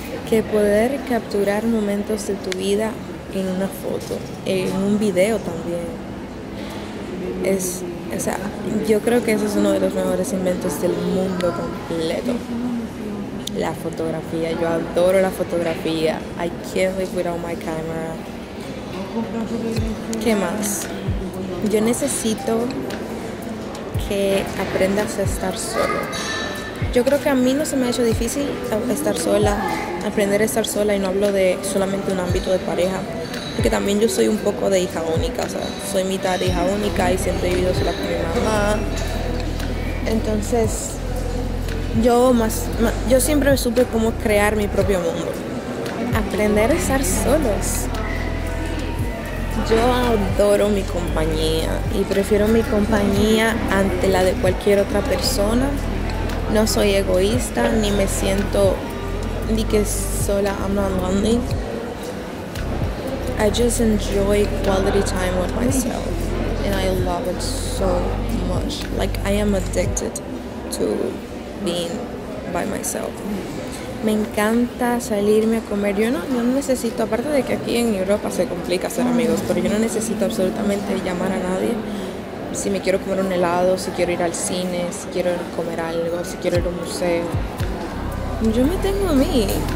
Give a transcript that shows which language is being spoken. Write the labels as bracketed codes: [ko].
[es] Que poder capturar momentos de tu vida en una foto, en un video también. O sea, yo creo que eso es uno de los mejores inventos del mundo completo. La fotografía, yo adoro la fotografía. [en] I can't live without my camera. [es] ¿Qué más? Yo necesito que aprendas a estar solo. Yo creo que a mí no se me ha hecho difícil estar sola, aprender a estar sola, y no hablo de solamente un ámbito de pareja, porque también yo soy un poco de hija única, o sea, soy mitad hija única y siempre he vivido sola con mi mamá. Entonces, yo siempre supe cómo crear mi propio mundo. Aprender a estar solos. Yo adoro mi compañía y prefiero mi compañía ante la de cualquier otra persona. No soy egoísta, ni me siento ni que sola. [en] I'm not lonely. I just enjoy quality time with myself. And I love it so much. Like, I am addicted to being by myself. [es] Me encanta salirme a comer. Yo no necesito, aparte de que aquí en Europa se complica hacer amigos, pero yo no necesito absolutamente llamar a nadie. Si me quiero comer un helado, si quiero ir al cine, si quiero comer algo, si quiero ir a un museo, yo me tengo a mí.